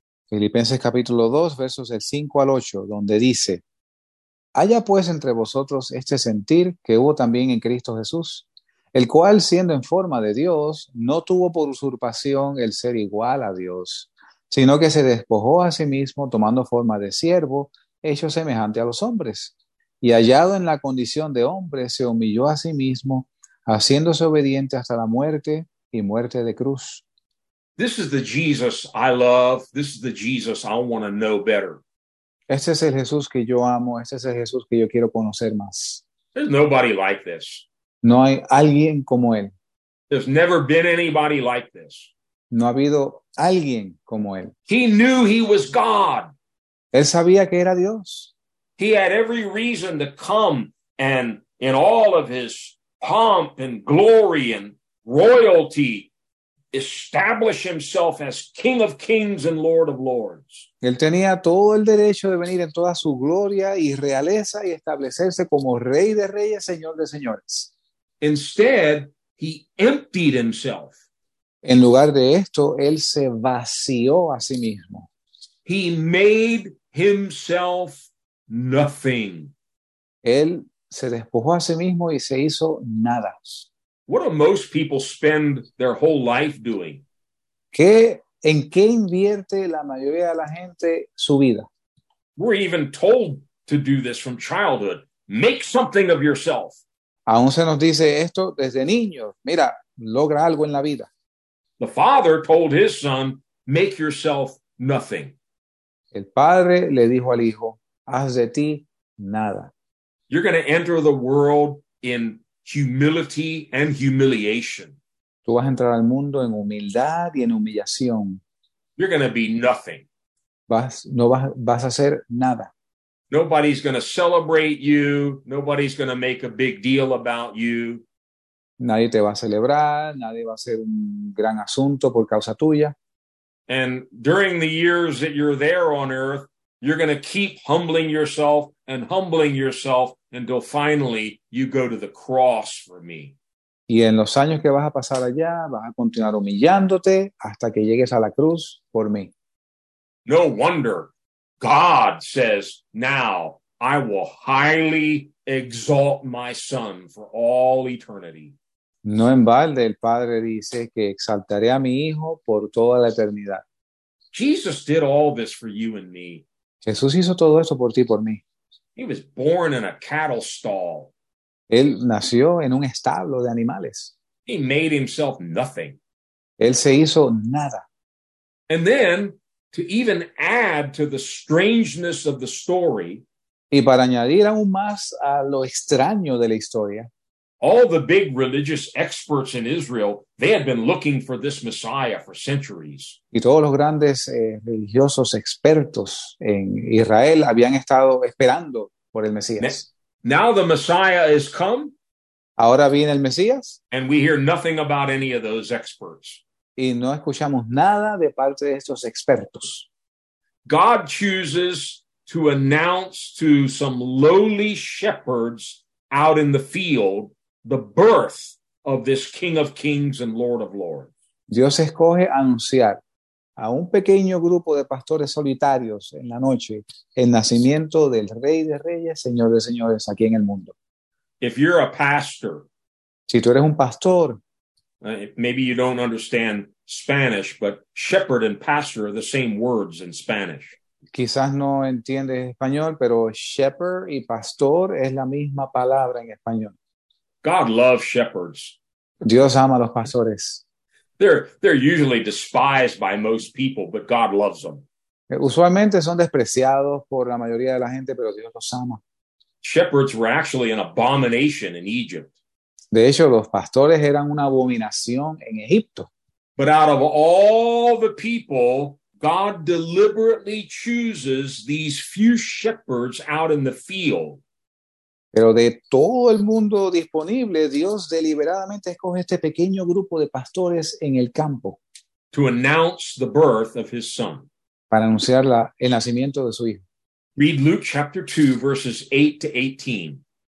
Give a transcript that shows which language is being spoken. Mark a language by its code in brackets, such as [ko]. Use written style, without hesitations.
[es] Filipenses capítulo 2, versos del 5 al 8, donde dice: Haya pues entre vosotros este sentir que hubo también en Cristo Jesús, el cual, siendo en forma de Dios, no tuvo por usurpación el ser igual a Dios, sino que se despojó a sí mismo, tomando forma de siervo, hecho semejante a los hombres. Y hallado en la condición de hombre, se humilló a sí mismo, haciéndose obediente hasta la muerte y muerte de cruz. [en] This is the Jesus I love. This is the Jesus I want to know better. [es] Este es el Jesús que yo amo. Este es el Jesús que yo quiero conocer más. [en] There's nobody like this. [es] No hay alguien como él. [en] There's never been anybody like this. [es] No ha habido alguien como él. [en] He knew he was God. [es] Él sabía que era Dios. [en] He had every reason to come and in all of his pomp and glory and royalty establish himself as King of Kings and Lord of Lords. [es] Él tenía todo el derecho de venir en toda su gloria y realeza y establecerse como Rey de Reyes, Señor de Señores. [en] Instead, he emptied himself. [es] En lugar de esto, él se vació a sí mismo. [en] He made himself nothing. [es] Él se despojó a sí mismo y se hizo nada. [en] What do most people spend their whole life doing? [es] ¿Qué, en qué invierte la mayoría de la gente su vida? [en] We're even told to do this from childhood. Make something of yourself. [es] Aún se nos dice esto desde niños. Mira, logra algo en la vida. [en] The father told his son, make yourself nothing. [es] El padre le dijo al hijo, haz de ti nada. [en] You're going to enter the world in humility and humiliation. [es] Tú vas a entrar al mundo en humildad y en humillación. [en] You're going to be nothing. [es] Vas a ser nada. [en] Nobody's going to celebrate you. Nobody's going to make a big deal about you. [es] Nadie te va a celebrar. Nadie va a hacer un gran asunto por causa tuya. [en] And during the years that you're there on earth, you're going to keep humbling yourself and humbling yourself until finally you go to the cross for me. [es] Y en los años que vas a pasar allá, vas a continuar humillándote hasta que llegues a la cruz por mí. [en] No wonder God says, now I will highly exalt my son for all eternity. [es] No en balde el Padre dice que exaltaré a mi hijo por toda la eternidad. [en] Jesus did all this for you and me. [es] Jesús hizo todo esto por ti y por mí. [en] He was born in a cattle stall. [es] Él nació en un establo de animales. [en] He made himself nothing. [es] Él se hizo nada. [en] And then, to even add to the strangeness of the story, [es] y para añadir aún más a lo extraño de la historia, [en] all the big religious experts in Israel, they had been looking for this Messiah for centuries. [es] Y todos los grandes religiosos expertos en Israel habían estado esperando por el Mesías. [en] Now the Messiah has come. [es] Ahora viene el Mesías. [en] And we hear nothing about any of those experts. [es] Y no escuchamos nada de parte de estos expertos. [en] God chooses to announce to some lowly shepherds out in the field the birth of this King of Kings and Lord of Lords. [es] Dios escoge anunciar a un pequeño grupo de pastores solitarios en la noche el nacimiento del Rey de Reyes, Señor de Señores, aquí en el mundo. [en] If you're a pastor, [es] si tú eres un pastor, [en] maybe you don't understand Spanish, but shepherd and pastor are the same words in Spanish. [es] Quizás no entiendes español, pero shepherd y pastor es la misma palabra en español. [en] God loves shepherds. [es] Dios ama a los pastores. [en] They're usually despised by most people, but God loves them. [es] Usualmente son despreciados por la mayoría de la gente, pero Dios los ama. [en] Shepherds were actually an abomination in Egypt. [es] De hecho, los pastores eran una abominación en Egipto. [en] But out of all the people, God deliberately chooses these few shepherds out in the field. [es] Pero de todo el mundo disponible, Dios deliberadamente escoge este pequeño grupo de pastores en el campo. [en] To announce the birth of his son. [es] Para anunciar el nacimiento de su hijo. [en] Read Luke chapter 2, verses 8 to 18.